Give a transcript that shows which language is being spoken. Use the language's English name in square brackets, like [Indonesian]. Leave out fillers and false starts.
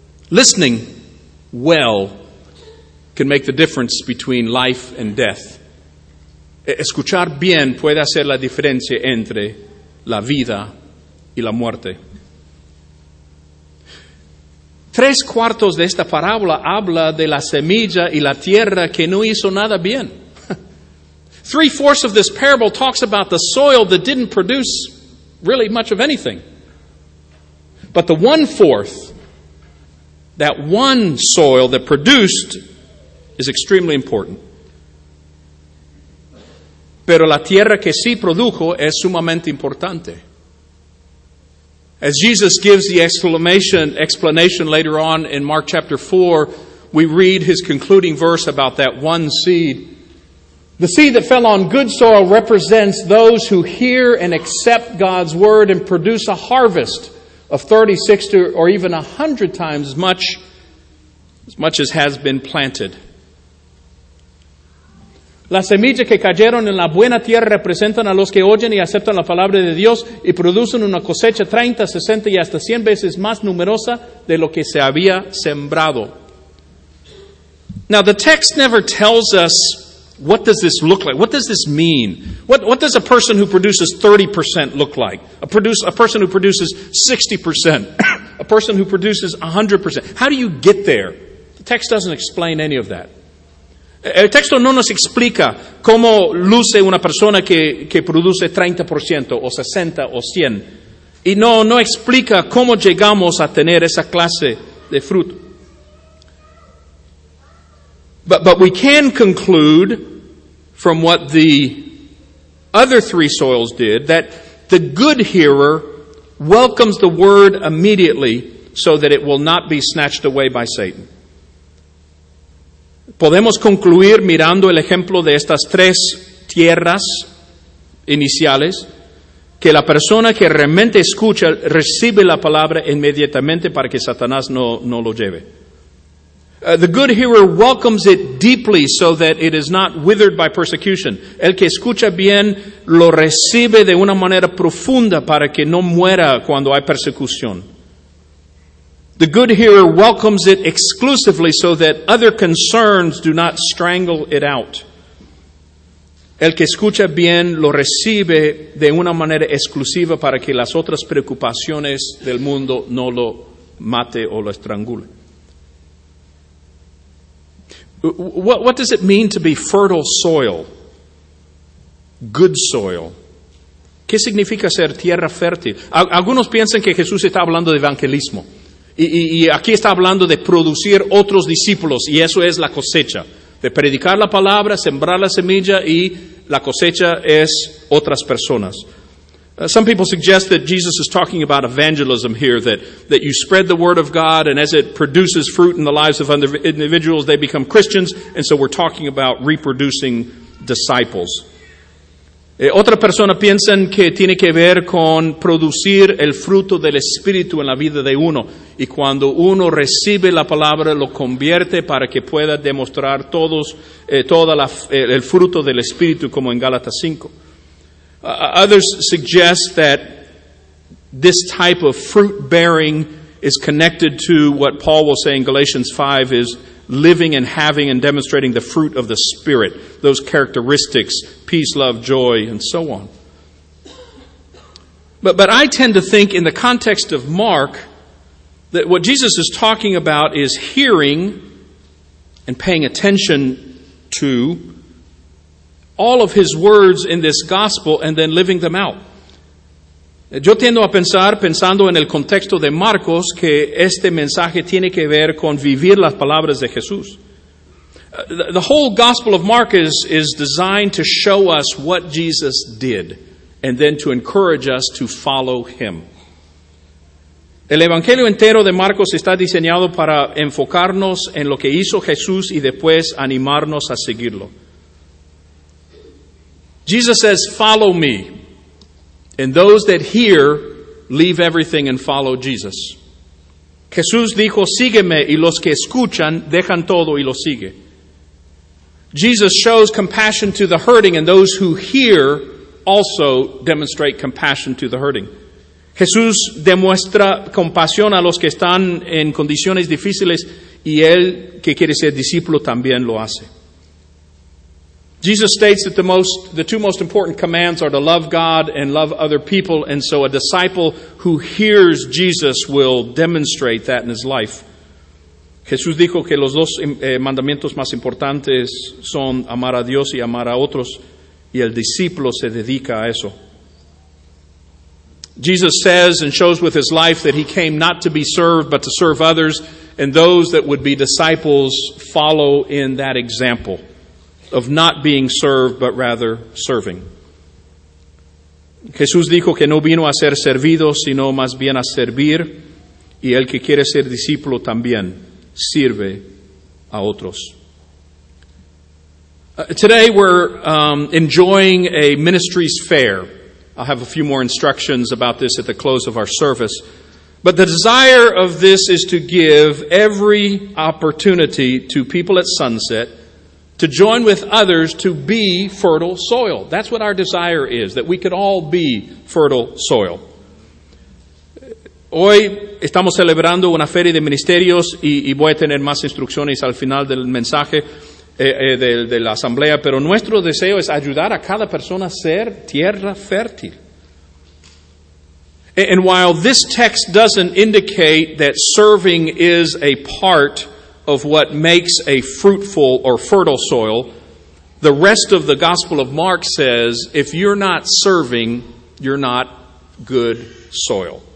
[English] Listening well can make the difference between life and death. [Spanish] Escuchar bien puede hacer la diferencia entre la vida y la muerte. Tres cuartos de esta parábola habla de la semilla y la tierra que no hizo nada bien. [English] 3/4 of this parable talks about the soil that didn't produce really much of anything. But the 1/4, that one soil that produced, is extremely important. [Spanish] Pero la tierra que sí produjo es sumamente importante. [English] As Jesus gives the explanation later on in Mark chapter 4, we read his concluding verse about that one seed. The seed that fell on good soil represents those who hear and accept God's word and produce a harvest of 30, 60, or even 100 times as much as has been planted. [Spanish] Las semillas que cayeron en la buena tierra representan a los que oyen y aceptan la palabra de Dios y producen una cosecha 30, 60 y hasta 100 veces más numerosa de lo que se había sembrado. [English] Now, the text never tells us what does this look like. What does this mean? What does a person who produces 30% look like? A person who produces 60%? A person who produces 100%? How do you get there? The text doesn't explain any of that. [Spanish] El texto no nos explica cómo luce una persona que produce 30% o 60% o 100%. Y no explica cómo llegamos a tener esa clase de fruto. [English] But we can conclude from what the other three soils did that the good hearer welcomes the word immediately so that it will not be snatched away by Satan. [Spanish] Podemos concluir mirando el ejemplo de estas tres tierras iniciales que la persona que realmente escucha recibe la palabra inmediatamente para que Satanás no lo lleve. [English] The good hearer welcomes it deeply so that it is not withered by persecution. [Spanish] El que escucha bien lo recibe de una manera profunda para que no muera cuando hay persecución. [English] The good hearer welcomes it exclusively so that other concerns do not strangle it out. [Spanish] El que escucha bien lo recibe de una manera exclusiva para que las otras preocupaciones del mundo no lo mate o lo estrangule. [English] What does it mean to be fertile soil? Good soil. [Spanish] ¿Qué significa ser tierra fértil? Algunos piensan que Jesús está hablando de evangelismo. Y aquí está hablando de producir otros discípulos, y eso es la cosecha. De predicar la palabra, sembrar la semilla, y la cosecha es otras personas. [English] Some people suggest that Jesus is talking about evangelism here, that you spread the word of God, and as it produces fruit in the lives of individuals, they become Christians, and so we're talking about reproducing disciples. [Spanish] Otra persona piensa que tiene que ver con producir el fruto del Espíritu en la vida de uno. Y cuando uno recibe la palabra, lo convierte para que pueda demostrar el fruto del Espíritu, como en Gálatas 5. [English] Others suggest that this type of fruit bearing is connected to what Paul will say in Galatians 5 is living and having and demonstrating the fruit of the Spirit, those characteristics, peace, love, joy, and so on. But I tend to think in the context of Mark that what Jesus is talking about is hearing and paying attention to all of his words in this gospel and then living them out. [Spanish] Yo tiendo a pensar, pensando en el contexto de Marcos, que este mensaje tiene que ver con vivir las palabras de Jesús. [English] The whole Gospel of Mark is designed to show us what Jesus did, and then to encourage us to follow him. [Spanish] El Evangelio entero de Marcos está diseñado para enfocarnos en lo que hizo Jesús y después animarnos a seguirlo. [English] Jesus says, "Follow me." And those that hear, leave everything and follow Jesus. [Spanish] Jesús dijo, sígueme, y los que escuchan, dejan todo y lo sigue. [English] Jesus shows compassion to the hurting, and those who hear also demonstrate compassion to the hurting. [Spanish] Jesús demuestra compasión a los que están en condiciones difíciles, y él que quiere ser discípulo también lo hace. [English] Jesus states that the two most important commands are to love God and love other people, and so a disciple who hears Jesus will demonstrate that in his life. [Spanish] Jesús dijo que los dos mandamientos más importantes son amar a Dios y amar a otros, y el discípulo se dedica a eso. [English] Jesus says and shows with his life that he came not to be served, but to serve others, and those that would be disciples follow in that example of not being served, but rather serving. [Spanish] Jesús dijo que no vino a ser servido, sino más bien a servir. Y el que quiere ser discípulo también sirve a otros. [English] Today we're enjoying a ministry's fair. I'll have a few more instructions about this at the close of our service. But the desire of this is to give every opportunity to people at sunset to join with others to be fertile soil. That's what our desire is, that we could all be fertile soil. [Spanish] Hoy estamos celebrando una feria de ministerios y voy a tener más instrucciones al final del mensaje de la asamblea, pero nuestro deseo es ayudar a cada persona a ser tierra fértil. [English] And while this text doesn't indicate that serving is a part of what makes a fruitful or fertile soil, the rest of the Gospel of Mark says, if you're not serving, you're not good soil.